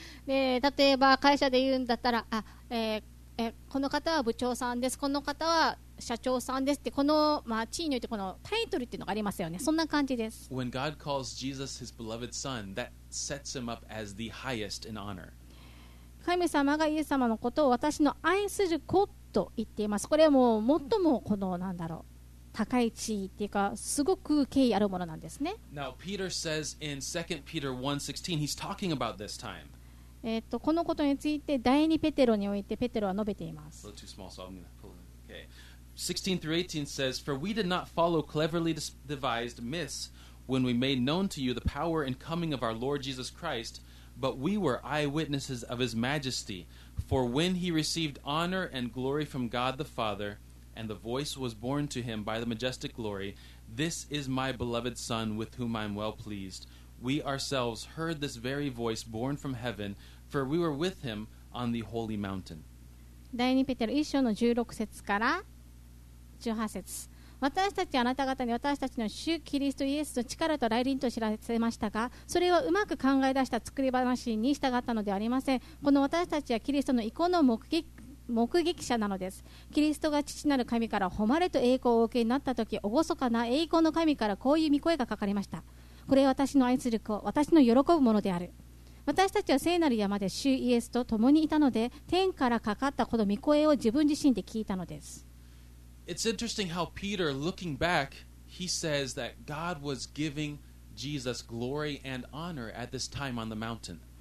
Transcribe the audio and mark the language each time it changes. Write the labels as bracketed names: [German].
[Japanese] で、例えば会社で言うんだったら、この方は部長さんです、この方は社長さんですって、この、地位によってこのタイトルっていうのがありますよね。そんな感じです。 [English] When God calls Jesus his beloved son, that sets him up as the highest in honor. [Japanese] 神様がイエス様のことを私の愛する子と言っています。これはもう最もこの、なんだろう、高い地位っていうかすごく敬意あるものなんですね。 [English] Now, Peter says in 2 Peter 1:16, he's talking about this time. [Japanese] このことについて第二ペテロにおいてペテロは述べています。 [English] A little too small, so I'm going to pull it. Okay. 16 through 18 says, For we did not follow cleverly devised myths when we made known to you the power and coming of our Lord Jesus Christ, but we were eyewitnesses of his majesty. For when he received honor and glory from God the Father, and the voice was borne to him by the majestic glory, "This is my beloved Son, with whom I am well pleased," we ourselves heard this very voice born from heaven, for we were with him on the holy mountain. [Japanese] 第2ペテロ1章の16節から18節。私たちはあなた方に私たちの主キリストイエスの力と来臨と知らせましたが、それはうまく考え出した作り話に従ったのではありません。この私たちはキリストの意向の目撃者なのです。キリストが父なる神から誉れと栄光をお受けになった時、おごそかな栄光の神からこういう御声がかかりました。これは私の愛する子、私の喜ぶものである。私たちは聖なる山で主イエスと共にいたので、天からかかったこの御声を自分自身で聞いたのです。 [English] It's interesting how Peter, looking back, he says that God was giving Jesus glory and honor at this time on the mountain.